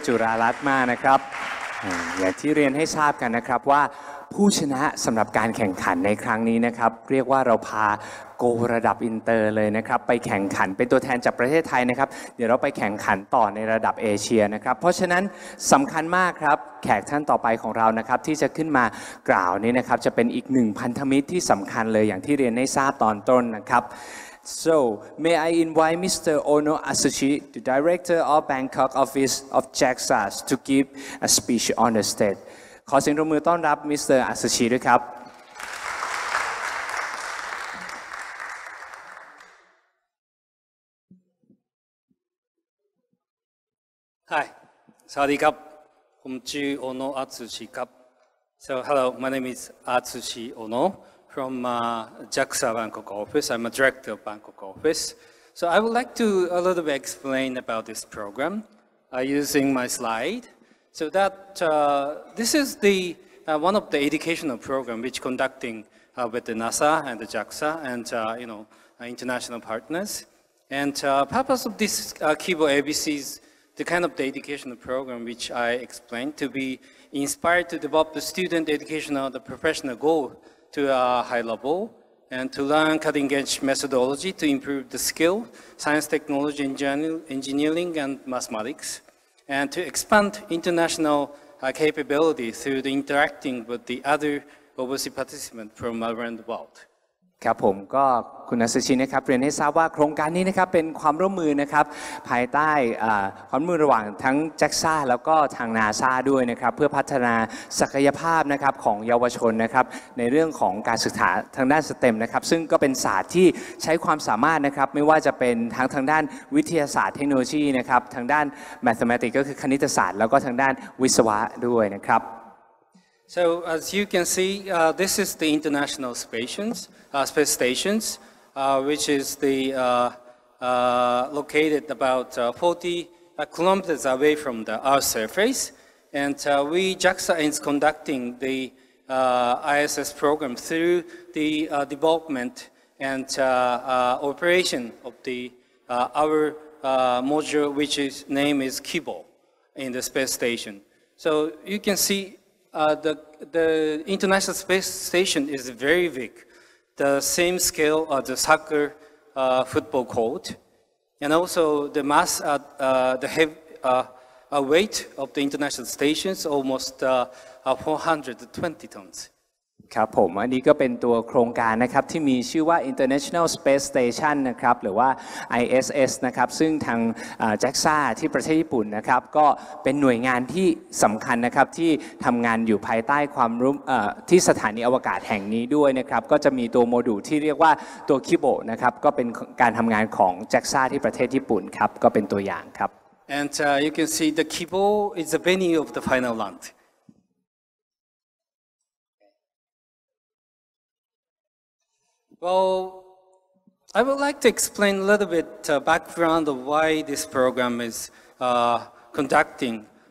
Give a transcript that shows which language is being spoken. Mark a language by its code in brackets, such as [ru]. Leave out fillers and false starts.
[th] จุฬารัตน์มากนะครับอย่างที่เรียนให้ทราบกันนะครับว่าผู้ชนะสำหรับการแข่งขันในครั้งนี้นะครับเรียกว่าเราพาโกระดับอินเตอร์เลยนะครับไปแข่งขันเป็นตัวแทนจากประเทศไทยนะครับเดี๋ยวเราไปแข่งขันต่อในระดับเอเชียนะครับเพราะฉะนั้นสำคัญมากครับแขกท่านต่อไปของเรานะครับที่จะขึ้นมากล่าวนี้นะครับจะเป็นอีกหนึ่งพันธมิตรที่สำคัญเลยอย่างที่เรียนให้ทราบตอนต้นนะครับ [en] So may I invite Mr. Ono Asuchi, the Director of Bangkok Office of JAXA, to give a speech on the stage. [th] ขอเสียงปรบมือต้อนรับมิสเตอร์อัศชีด้วยครับ ไฮสวัสดีครับผมชื่อโอโนอัศชีครับ [en] so hello my name is [th] อัศชีโอโน [en] from JAXA Bangkok office. I'm a director of Bangkok office. So I would like to a little bit explain about this program using my slide. So that this is the one of the educational program which conducting with the NASA and the JAXA and you know international partners. And purpose of this Kibo ABC is the kind of the educational program which I explained to be inspired to develop the student educational the professional goal to a high level and to learn cutting edge methodology to improve the skill, science, technology, engineering and mathematics and to expand international capability through the interacting with the other overseas participants from around the world. [th] ครับผมก็คุณอัศชินะครับเรียนให้ทราบว่าโครงการนี้นะครับเป็นความร่วมมือนะครับภายใต้ความร่วมมือระหว่างทั้ง JAXA แล้วก็ทาง NASA ด้วยนะครับเพื่อพัฒนาศักยภาพนะครับของเยาวชนนะครับในเรื่องของการศึกษาทางด้านSTEMนะครับซึ่งก็เป็นศาสตร์ที่ใช้ความสามารถนะครับไม่ว่าจะเป็นทั้งทางด้านวิทยาศาสตร์เทคโนโลยีนะครับทางด้าน Mathematics ก็คือคณิตศาสตร์แล้วก็ทางด้านวิศวะด้วยนะครับ [en] So as you can see, this is the international space stations, which is the located about 40 kilometers away from the Earth surface, and we JAXA is conducting the ISS program through the development and operation of the our module, which is name is Kibo, in the space station. So you can see. The International Space Station is very big, the same scale as the soccer football court, and also the mass, the heavy, weight of the International Station is almost 420 tons. [th] ครับผมอันนี้ก็เป็นตัวโครงการนะครับที่มีชื่อว่า International Space Station นะครับหรือว่า ISS นะครับซึ่งทางJAXA ที่ประเทศญี่ปุ่นนะครับก็เป็นหน่วยงานที่สำคัญนะครับที่ทำงานอยู่ภายใต้ความร่วมที่สถานีอวกาศแห่งนี้ด้วยนะครับก็จะมีตัวโมดูลที่เรียกว่าตัวคิโบนะครับก็เป็นการทำงานของ JAXA ที่ประเทศญี่ปุ่นครับก็เป็นตัวอย่างครับ [en] And you can see the Kibo is the venue of the final launchWell, I would like to explain a little bit background of why this program is conducting.